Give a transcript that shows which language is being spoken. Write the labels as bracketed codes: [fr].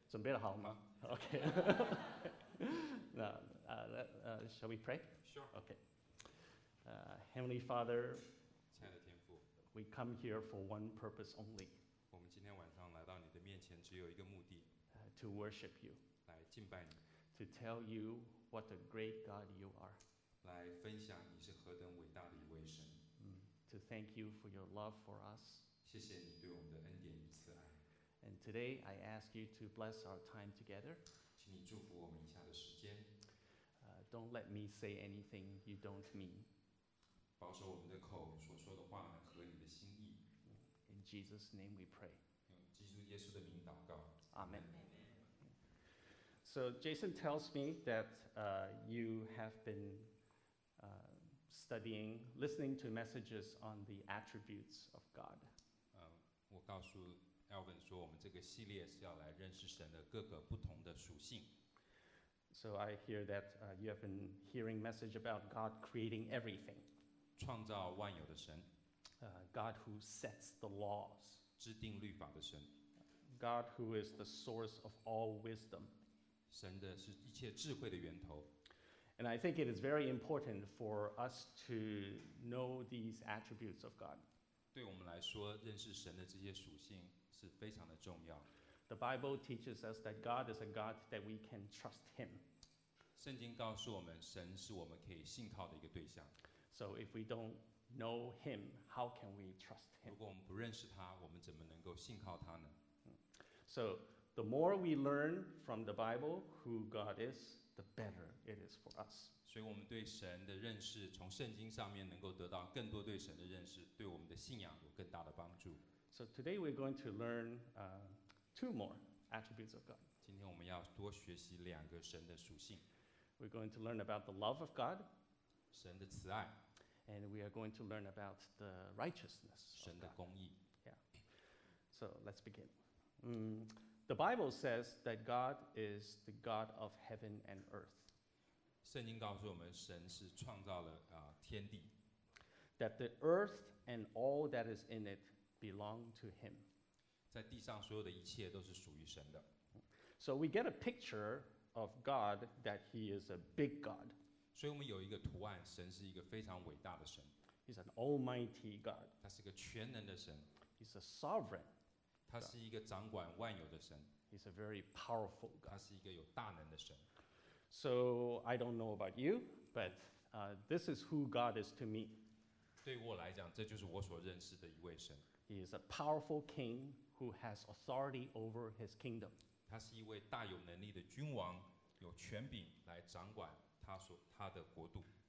[zh] 准备了好吗？OK。 那 [en] shall we pray? Sure. OK. Heavenly Father, [zh] 亲爱的天父， [en] we come here for one purpose only. [zh] 我们今天晚上来到你的面前只有一个目的， [en] to worship you. [zh] 来敬拜你， [en] to tell you what a great God you are. [zh] 来分享你是何等伟大的一位神。 [en] To thank you for your love for us. [zh] 谢谢你对我们的恩典与慈爱。 [en] And today I ask you to bless our time together. [zh] 请你祝福我们以下的时间。 [en] Don't let me say anything you don't mean. [zh] 保守我们的口所说的话合你的心意。 [en] In Jesus' name we pray. [zh] 用基督耶稣的名祷告。 [en] Amen. So Jason tells me that you have been studying, listening to messages on the attributes of God. [zh] 我告诉 Alvin 说，我们这个系列是要来认识神的各个不同的属性。 [en] So I hear that you have been hearing message about God creating everything. [zh] 创造万有的神。 [en] God who sets the laws. [zh] 制定律法的神。 [en] God who is the source of all wisdom. [zh] 神的是一切智慧的源头。 [en] And I think it is very important for us to know these attributes of God. [zh] 对我们来说，认识神的这些属性是非常的重要。 [en] The Bible teaches us that God is a God that we can trust Him. [zh] 圣经告诉我们，神是我们可以信靠的一个对象。 [en] So if we don't know Him, how can we trust Him? [zh] 如果我们不认识他，我们怎么能够信靠他呢？ [en] So the more we learn from the Bible who God is, the better it is for us. [zh] 所以我们对神的认识，从圣经上面能够得到更多对神的认识，对我们的信仰有更大的帮助。 [en] So today we're going to learn two more attributes of God. [zh] 今天我们要多学习两个神的属性。 [en] We're going to learn about the love of God. [zh] 神的慈爱。 [en] And we are going to learn about the righteousness of God. [zh] 神的公义。 [en] Yeah. So let's begin. The Bible says that God is the God of heaven and earth. [zh] 圣经告诉我们，神是创造了天地。 [en] That the earth and all that is in it belong to Him. [zh] 在地上所有的一切都是属于神的。 [en] So we get a picture of God that He is a big God. [zh] 所以我们有一个图案，神是一个非常伟大的神。 [en] He's an almighty God. [zh] 他是一个全能的神。 [en] He's a sovereign. [zh] 他是一个掌管万有的神。 [en] He's a very powerful God. [zh] 他是一个有大能的神。 [en] So I don't know about you, but this is who God is to me. [zh] 对我来讲，这就是我所认识的一位神。 [en] He is a powerful king who has authority over his kingdom. [zh] 他是一位大有能力的君王，有权柄来掌管他的国度。